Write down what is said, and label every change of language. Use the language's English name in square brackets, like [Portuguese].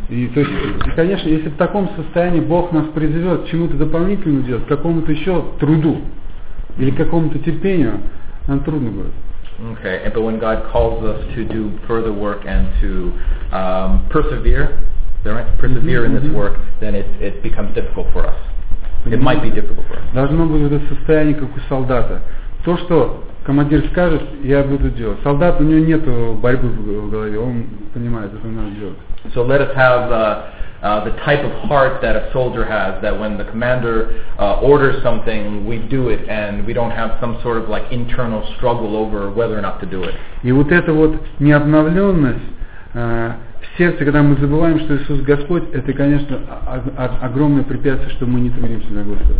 [Russian] И, конечно, если в таком состоянии Бог нас призовет к чему-то дополнительному делать, к какому-то еще труду, или к какому-то терпению, нам трудно будет. [English] Okay, but when God calls us to do further work and to persevere, right? Persevere in this work, then it becomes difficult for us. It might be difficult for us. [Russian] Должно быть это состояние, как у солдата. То, что командир скажет, я буду делать. Солдат, у него нет борьбы в голове, он понимает, что надо делать. [English] So let us have the type of heart that a soldier has, that when the commander orders something, we do it, and we don't have some sort of like internal struggle over whether or not to do it. [Russian] И вот эта вот необновленность сердце, когда мы забываем, что Иисус Господь, это, конечно, огромное препятствие, что мы не трудимся на Господа.